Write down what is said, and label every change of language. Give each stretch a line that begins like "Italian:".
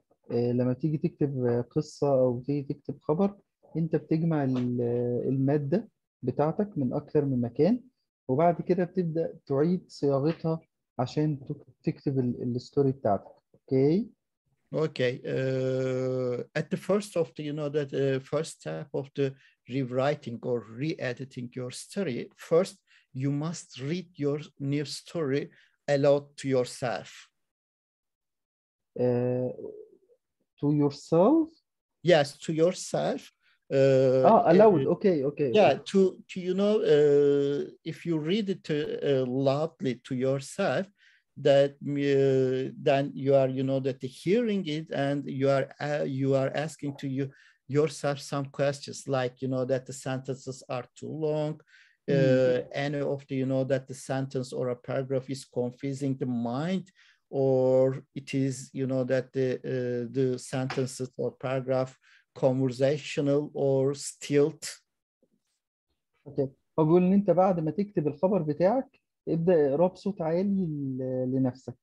Arabic: لما تيجي تكتب قصة أو تيجي تكتب خبر, أنت بتجمع المادة بتاعتك من أكثر من مكان, وبعد كده بتبدأ تعيد صياغتها عشان تكتب الستوري بتاعتك.
English: Okay. Okay. At the first of the, you know, that first step of the rewriting or re-editing your story, first you must read your new story aloud to yourself. To yourself? Yes, to yourself. Aloud. Okay. Yeah. Okay. To you know, if you read it loudly to yourself, that then you are, you know, that the hearing it, and you are asking to you yourself some questions, like, you know, that the sentences are too long, any of the, you know, that the sentence or a paragraph is confusing the mind, or it is, you know, that the sentences or paragraph conversational or stilt. Okay.
Arabic: أقول إن أنت بعد ما تكتب الخبر بتاعك ابدأ اقرأ بصوت عالي لنفسك.